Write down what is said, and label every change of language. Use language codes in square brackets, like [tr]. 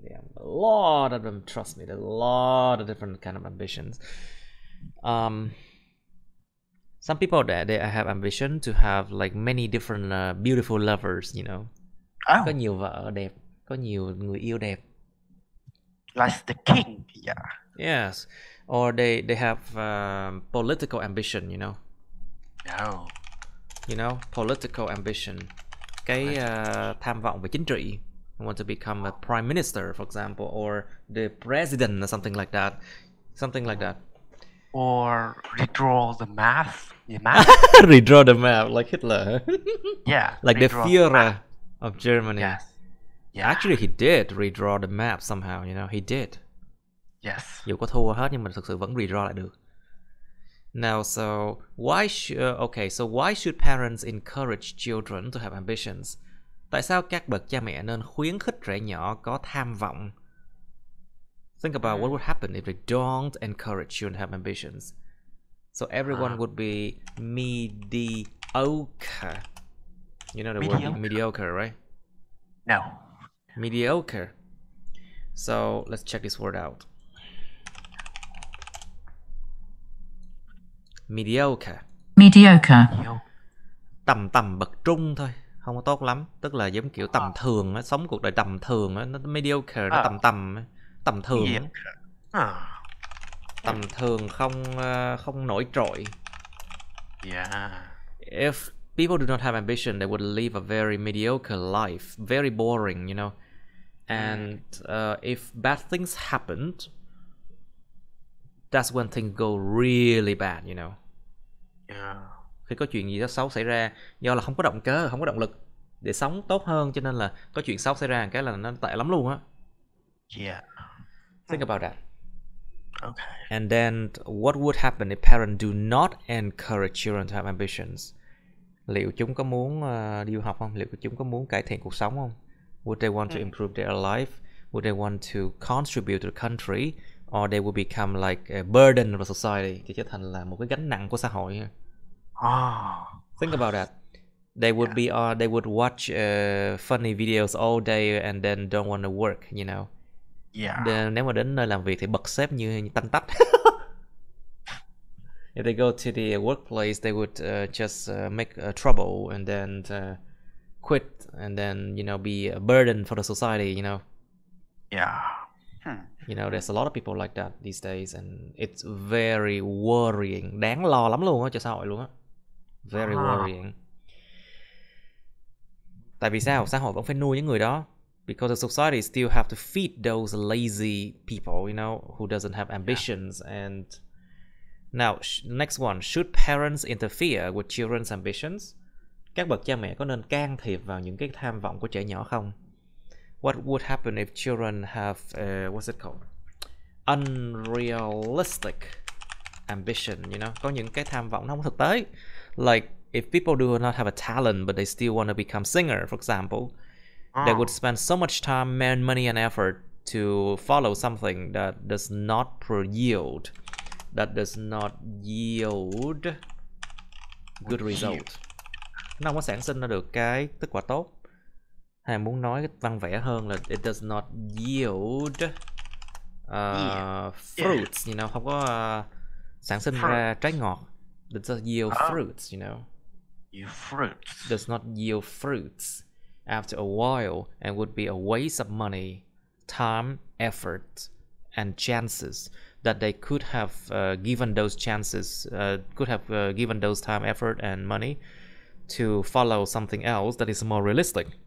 [en] There are a lot of them, trust me. There are a lot of different kind of ambitions. Some people there have ambition to have like many different beautiful lovers, you know. Oh. [vi] Có nhiều vợ đẹp, có nhiều người yêu đẹp. [en] Like the king, yeah. Yes. Or they have political ambition, you know. No. You know, political ambition. [vi] Cái tham vọng về chính trị. [en] Want to become a prime minister, for example, or the president, or something like that. Something like that. Or redraw the map. The map. Redraw the map, like Hitler. Yeah. Like the Führer of Germany. Yes. Yeah. Actually, he did redraw the map somehow. You know, he did. Yes. [vi] Dù có thua hết nhưng mà thực sự vẫn redraw lại được. [en] Now, so why should why should parents encourage children to have ambitions? [vi] Tại sao các bậc cha mẹ nên khuyến khích trẻ nhỏ có tham vọng? [en] Think about what would happen if they don't encourage children to have ambitions. So everyone would be mediocre. You know the word mediocre, right? No. Mediocre. So let's check this word out. Mediocre. Mediocre. [vi] Tầm tầm bậc trung thôi, không có tốt lắm, tức là giống kiểu tầm thường á, sống cuộc đời tầm thường á, nó mediocre, nó tầm tầm, tầm thường. Tầm thường, không không nổi trội. [en] Yeah. If people do not have ambition, they would live a very mediocre life, very boring, you know. And if bad things happened, that's when things go really bad, you know. Yeah. [vi] Khi có chuyện gì đó xấu xảy ra, do là không có động cơ, không có động lực để sống tốt hơn, cho nên là có chuyện xấu xảy ra cái là nó tệ lắm luôn á. [en] Yeah. Think about that. Okay. And then what would happen if parents do not encourage children to have ambitions? [vi] Liệu chúng có muốn đi du học không? Liệu chúng có muốn cải thiện cuộc sống không? [en] Would they want to improve their life? Would they want to contribute to the country? Or they would become like a burden of society? [vi] Thì trở thành là một cái gánh nặng của xã hội. [en] Think about that. They would they would watch funny videos all day and then don't want to work, you know. Yeah. [vi] Nếu mà đến nơi làm việc thì bật sếp như tăng tắt. [en] If they go to the workplace, they would just make trouble and then quit and then, you know, be a burden for the society, you know. Yeah. You know, there's a lot of people like that these days and it's very worrying. [vi] Đáng lo lắm luôn á, cho xã hội luôn á. [en] Very worrying. [vi] Tại vì sao? Xã hội vẫn phải nuôi những người đó. [en] Because the society still have to feed those lazy people, you know, who doesn't have ambitions. Yeah. And now, next one. Should parents interfere with children's ambitions? [vi] Các bậc cha mẹ có nên can thiệp vào những cái tham vọng của trẻ nhỏ không? [en] What would happen if children have, what's it called? Unrealistic ambition, you know? [vi] Có những cái tham vọng nó không thực tế. [en] Like, if people do not have a talent, but they still want to become singer, for example, they would spend so much time, man, money and effort to follow something that does not yield, that does not yield good result. [vi] Nó không có sản sinh ra được cái kết quả tốt. Hay muốn nói văn vẻ hơn là [en] it does not yield fruits, you know, [vi] không có sản sinh ra trái ngọt. [en] It does not yield fruits, you know. Yield fruits. Does not yield fruits after a while and would be a waste of money, time, effort and chances that they could have given those chances, could have given those time, effort and money to follow something else that is more realistic.